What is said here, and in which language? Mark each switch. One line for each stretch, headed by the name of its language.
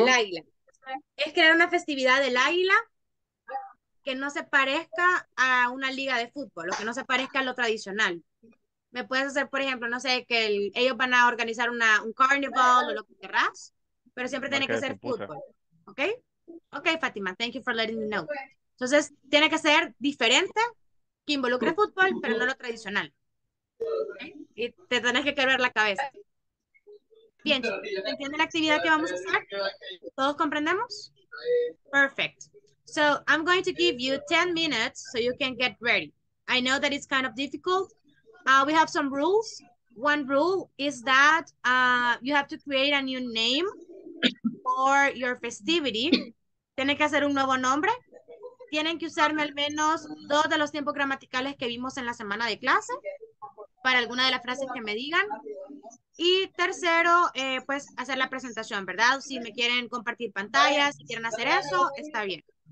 Spanish: Con el águila. Es crear una festividad del águila que no se parezca a una liga de fútbol, o que no se parezca a lo tradicional. ¿Me puedes hacer, por ejemplo, no sé, que el, ellos van a organizar una, un carnival o lo que querrás? Pero siempre tiene que ser fútbol. ¿Ok?
English: Ok, Fátima, thank you for letting me know.
Spanish: Entonces, tiene que ser diferente, que involucre fútbol, pero no lo tradicional. ¿Okay? Y te tenés que quebrar la cabeza. Bien, ¿entienden la actividad que vamos a hacer? ¿Todos comprendemos? Perfect.
English: So, I'm going to give you 10 minutes so you can get ready. I know that it's kind of difficult. We have some rules. One rule is that you have to create a new name for your festivity.
Spanish: Tienen que hacer un nuevo nombre. Tienen que usarme al menos dos de los tiempos gramaticales que vimos en la semana de clase para alguna de las frases que me digan. Y tercero, pues hacer la presentación, ¿verdad? Si me quieren compartir pantallas, si quieren hacer eso, está bien.